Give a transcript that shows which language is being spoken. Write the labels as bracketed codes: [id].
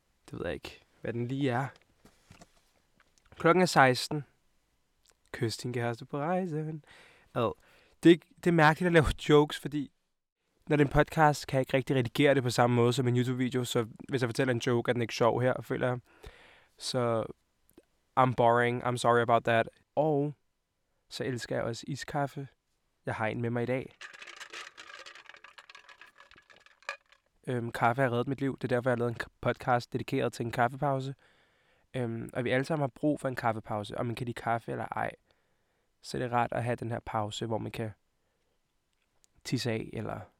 [da] Det ved jeg ikke, hvad den lige er. Klokken er 16. Kys din kæreste på rejsen. Det er mærkeligt at lave jokes, fordi... Når det er en podcast, kan jeg ikke rigtig redigere det på samme måde som en YouTube-video, så hvis jeg fortæller en joke, er den ikke sjov her, føler jeg. [en] Så I'm boring, I'm sorry about that. [da] Og så elsker jeg også iskaffe. Jeg har en med mig i dag. Kaffe har reddet mit liv, det er derfor, jeg har lavet en podcast dedikeret til en kaffepause. Og vi alle sammen har brug for en kaffepause, om man kan lide kaffe eller ej. Så det er rart at have den her pause, hvor man kan tisse af eller...